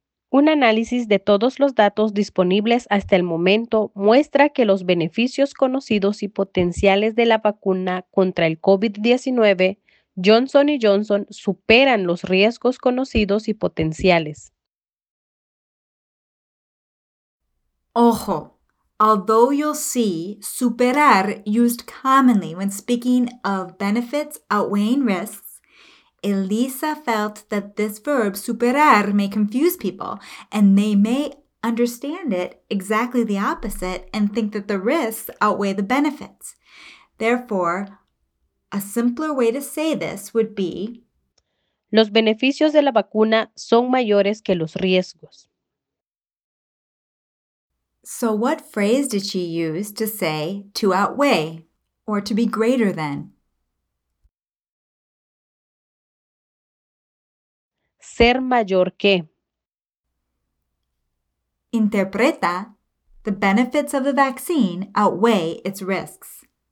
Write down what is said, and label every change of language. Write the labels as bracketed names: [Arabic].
[Spanish] Un análisis de todos los datos disponibles hasta el momento muestra que los beneficios conocidos y potenciales de la vacuna contra el COVID-19, Johnson & Johnson, superan los riesgos conocidos y potenciales. [English] Ojo, although you'll see superar used commonly when speaking of benefits outweighing risks, Elisa felt that this verb, superar, may confuse people, and they may understand it exactly the opposite and think that the risks outweigh the benefits. Therefore, a simpler way to say this would be, [Spanish] los beneficios de la vacuna son mayores que los riesgos. [English] So what phrase did she use to say to outweigh or to be greater than? [Spanish] Ser mayor que. [English] Interpreta, the benefits of the vaccine outweigh its risks.